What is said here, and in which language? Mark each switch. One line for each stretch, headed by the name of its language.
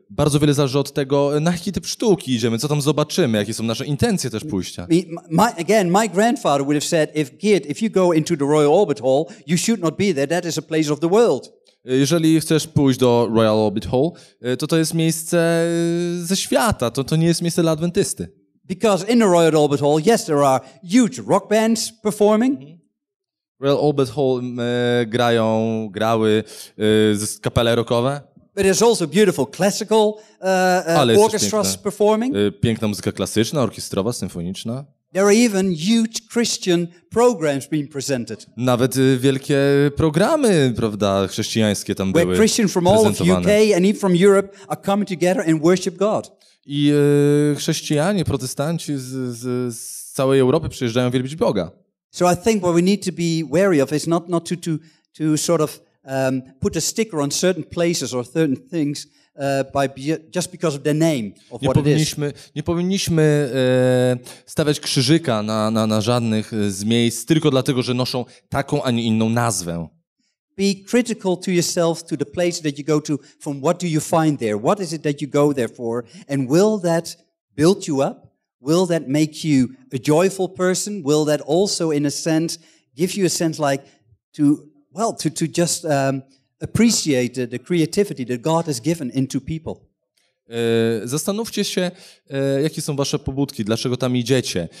Polish: Bardzo wiele zależy od tego, na jaki typ sztuki idziemy, co tam zobaczymy, jakie są nasze intencje też pójścia.
English: My grandfather would have said, if you go into the Royal Albert Hall, you should not be there. That is a place of the world.
Polish: Jeżeli chcesz pójść do Royal Albert Hall, to jest miejsce ze świata, to nie jest miejsce dla adwentysty.
English: Because in the Royal Albert Hall, yes, there are huge rock bands performing.
Polish: Royal Albert Hall grały kapele rockowe.
English: But there's also beautiful classical orchestras performing.
Polish: Piękna muzyka klasyczna, orkiestrowa, symfoniczna.
English: There are even huge Christian programs being presented.
Polish: Nawet wielkie programy, prawda, chrześcijańskie tam były.
English: Where Christians from all of UK and even from Europe are coming together and worship God.
Polish: I chrześcijanie, protestanci z całej Europy przyjeżdżają wielbić Boga.
English: So I think what we need to be wary of is not to sort of put a sticker on certain places or certain things just because of the name of what it is.
Polish: Nie powinniśmy stawiać krzyżyka na żadnych z miejsc tylko dlatego, że noszą taką, a nie inną nazwę.
English: Be critical to yourself, to the place that you go to, from what do you find there? What is it that you go there for? And will that build you up? Will that make you a joyful person? Will that also, in a sense, give you a sense like to just appreciate the creativity that God has given into people.
Polish: Zastanówcie się, jakie są wasze pobudki, dlaczego tam idziecie.